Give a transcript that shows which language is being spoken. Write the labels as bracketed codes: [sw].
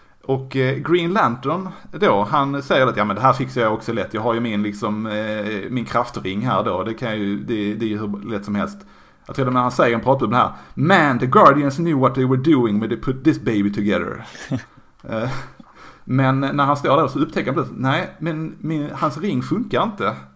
[sv] Och Green Lantern då, han säger att ja, men det här fixar jag också lätt, jag har ju min liksom min kraftring här då, det är ju hur lätt som helst. Jag tror att han säger en pratbubbel här. [en] Man, the Guardians knew what they were doing when they put this baby together. [sv] Men när han står där så upptäcker han plötsligt, nej, men hans ring funkar inte.